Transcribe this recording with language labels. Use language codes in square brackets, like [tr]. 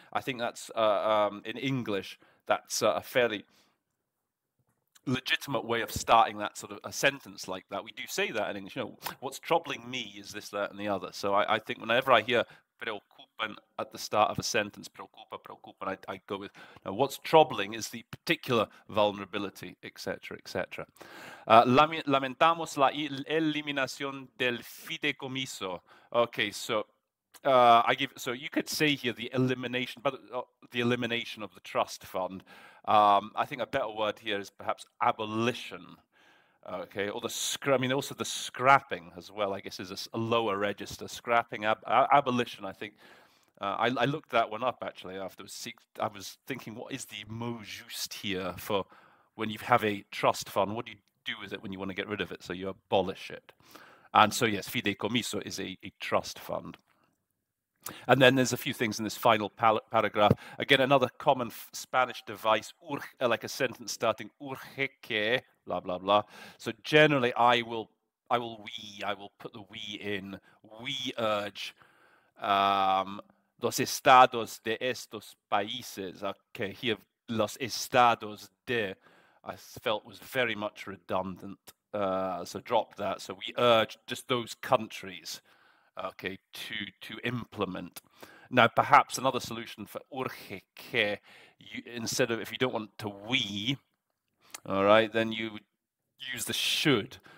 [en] I think that's, in English, that's a fairly legitimate way of starting that sort of a sentence like that. We do say that in English, you know, what's troubling me is this, that, and the other. So I think whenever I hear preocupan at the start of a sentence, preocupa, preocupan, I go with, now what's troubling is the particular vulnerability, etc., etc. [es] Lamentamos la eliminación del fideicomiso. [en] Okay, so you could say here the elimination, but the elimination of the trust fund. I think a better word here is perhaps abolition. Okay, or also the scrapping as well, I guess, is a lower register. Scrapping, abolition, I think. I looked that one up, actually, I was thinking, what is the mot juste here for when you have a trust fund? What do you do with it when you want to get rid of it? So you abolish it. And so, yes, fideicomiso is a trust fund. And then there's a few things in this final paragraph. Again, another common Spanish device, like a sentence starting, urge que, blah, blah, blah. So generally, I will put the we in. We urge [es] los estados de estos países. [en] Okay, here, [es] los estados de, [en] I felt was very much redundant. So drop that. So we urge just those countries. Okay, to implement. Now, perhaps another solution for urge que, instead of, if you don't want to we, all right, then you use the should.